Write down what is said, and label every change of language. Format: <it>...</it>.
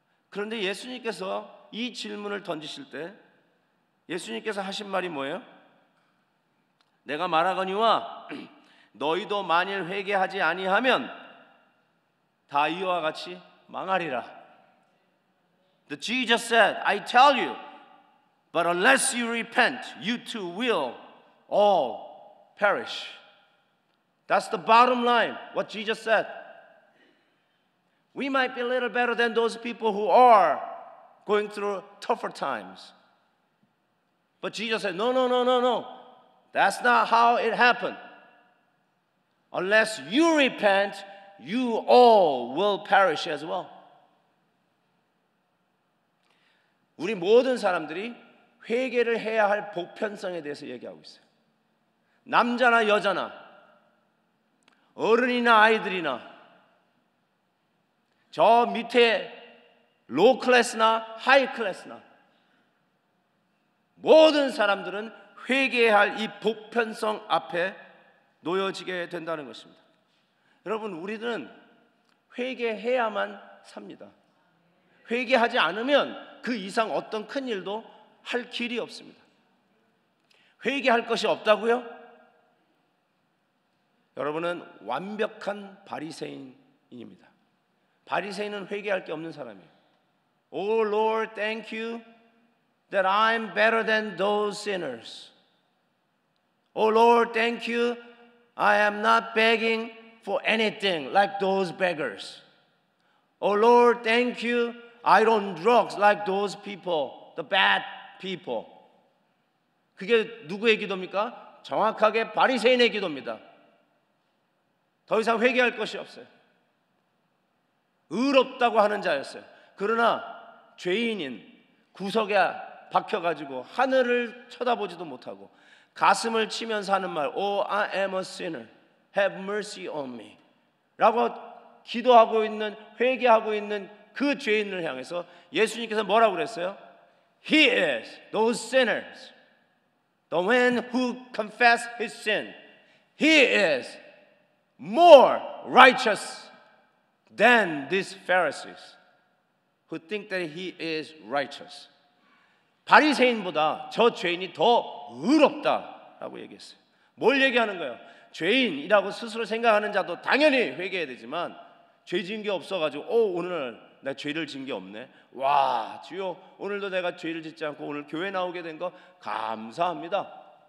<ko>그런데 예수님께서 이 질문을 던지실 때 예수님께서 하신 말이 뭐예요? 내가 말하거니와 너희도 만일 회개하지 아니하면 다 이와 같이 망하리라.</ko> <en>The Jesus said, I tell you, but unless you repent, you too will all perish. That's the bottom line, what Jesus said. We might be a little better than those people who are going through tougher times. But Jesus said, no. That's not how it happened. Unless you repent, you all will perish as well.</en> <ko>우리 모든 사람들이 회개를 해야 할 보편성에 대해서 얘기하고 있어요. 남자나 여자나 어른이나 아이들이나 저 밑에 로우 클래스나 하이 클래스나 모든 사람들은 회개해야 할 이 보편성 앞에 놓여지게 된다는 것입니다. 여러분, 우리는 회개해야만 삽니다. 회개하지 않으면 그 이상 어떤 큰 일도 할 길이 없습니다. 회개할 것이 없다고요? 여러분은 완벽한 바리새인입니다. 바리새인은 회개할 게 없는 사람이에요.</ko> <en>Oh Lord, thank you that I'm better than those sinners. Oh Lord, thank you, I am not begging for anything like those beggars. Oh Lord, thank you, I don't drugs like those people, the bad people.</en> <ko>그게 누구의 기도입니까? 정확하게 바리새인의 기도입니다. 더 이상 회개할 것이 없어요. 의롭다고 하는 자였어요. 그러나 죄인인 구석에 박혀가지고 하늘을 쳐다보지도 못하고 가슴을 치면서 하는 말,</ko> <en>Oh, I am a sinner. Have mercy on me.</en> <ko>라고 기도하고 있는, 회개하고 있는 그 죄인을 향해서 예수님께서 뭐라고 그랬어요?</ko> <en>He is those sinners. The one who confess his sin. He is more righteous than these Pharisees who think that he is righteous.</en> <ko>바리새인보다 저 죄인이 더 의롭다라고 얘기했어요. 뭘 얘기하는 거예요? 죄인이라고 스스로 생각하는 자도 당연히 회개해야 되지만 죄 지은 게 없어가지고 오, 오늘 나 죄를 진 게 없네. 와, 주여, 오늘도 내가 죄를 짓지 않고 오늘 교회 나오게 된 거 감사합니다.</ko>